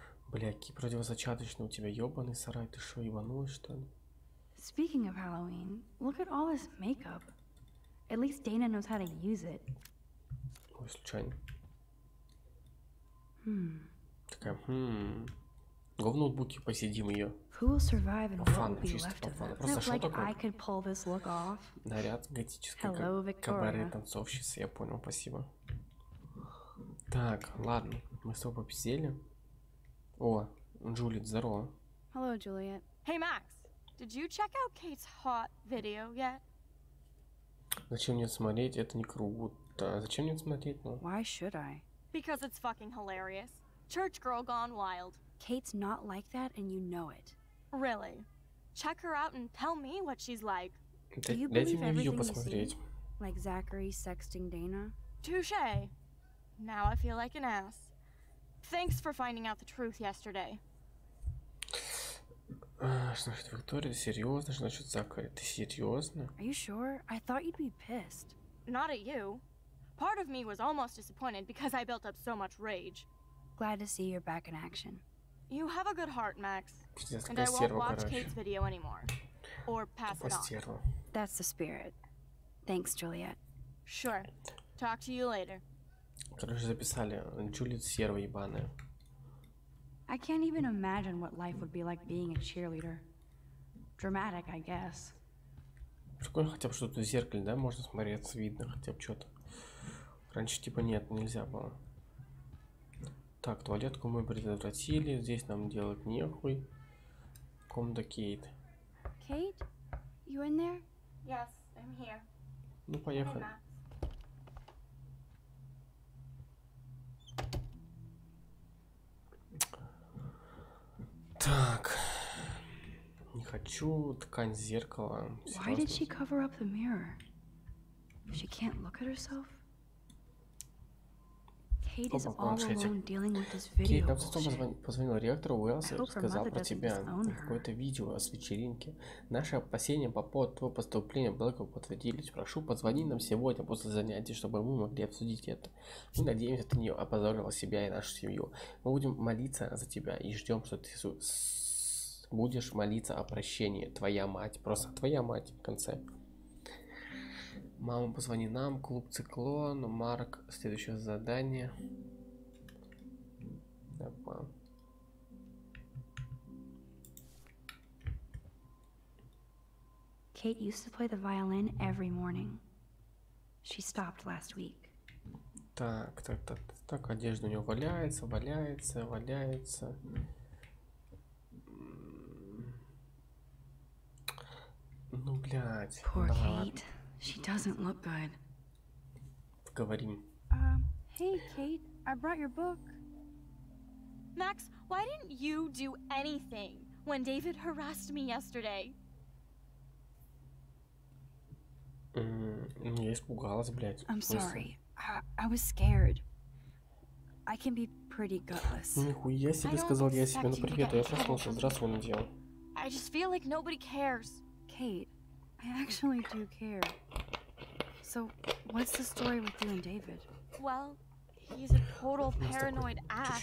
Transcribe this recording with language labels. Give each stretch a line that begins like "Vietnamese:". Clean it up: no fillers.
Russian: Бля, какие противозачаточные у тебя ёбаный сарай, ты шо, ебанулась, что ли?
English: Speaking of Halloween, look at all this makeup. At least Dana knows how to use it.
Russian: Ой, случайно. Такая, Го в ноутбуке посидим её.
English: Who will survive and what will be left of them?
Russian: Просто шо такое?
English: I could pull this look off.
Russian: Наряд готический, кабаре танцовщицы, я понял, спасибо. Так, ладно, мы с тобой попиздели. О, Джулиет, здорово.
English: Hello, Juliet. Hey, Max. Did you check out Kate's hot video yet?
Russian: Зачем мне смотреть? Это не круто. Зачем мне смотреть? Ну.
English: Why should I? Because it's fucking hilarious. Church girl gone wild. Kate's not like that, and you know it. Really? Check her out and tell me what she's like. Do you believe everything you see? Like Zachary sexting Dana? Touché. Now I feel like an ass. Thanks for finding out the truth yesterday.
Russian: Что значит, Виктория, ты серьёзно? Что значит, Закари, ты серьёзно?
English: Are you sure? I thought you'd be pissed. Not at you. Part of me was almost disappointed because I built up so much rage. Glad to see you're back in action. You have a good heart, Max. And I won't watch Kate's video anymore. Or pass it on. That's the spirit. Thanks, Juliet. Sure. Talk to you later.
Russian: Короче, записали. Джулиет серва ебаная.
English: I can't even imagine what life would be like being a cheerleader. Dramatic, I guess.
Russian: Прикольно, хотя бы что-то в зеркале, да, можно смотреться, видно хотя бы что-то. Раньше типа нет, нельзя было. Так, туалетку мы предотвратили, здесь нам делать нехуй. Комната Кейт.
English: Kate? You in there? Yes, I'm here.
Russian: Ну, поехали. Так, не хочу ткань зеркала.
English: Why did she cover up the mirror? She can't look at herself. Kate is all alone dealing with this video.
Russian: Кейт, нам потом позвонил ректор Уэллс и сказал про тебя какое-то видео с вечеринки. Наши опасения по поводу твоего поступления Блэка подтвердились. Прошу, позвони нам сегодня после занятий, чтобы мы могли обсудить это. Мы надеемся, ты не опозорила себя и нашу семью. Мы будем молиться за тебя и ждем, что ты будешь молиться о прощении. Твоя мать. Просто твоя мать в конце. Мама, позвони нам. Клуб Циклон. Марк, следующее задание. Опа.
English: Kate used to play the violin every morning. She stopped last week.
Russian: Так, так, так, так, одежда у нее валяется, валяется, валяется. Ну, блядь.
English: Poor Kate. She doesn't look good.
Russian: Говорим.
English: Hey, Kate, I brought your book. Max, why didn't you do anything when David harassed me yesterday?
Russian: Я испугалась, блядь.
English: I'm sorry. I was scared. I can be pretty gutless.
Russian: Нихуя себе сказал я себе на привет, я проснулся. Здравствуй, Надя.
English: I just feel like nobody cares. Kate, I actually do care. So, what's the story with you and David? Well, he's a total paranoid ass.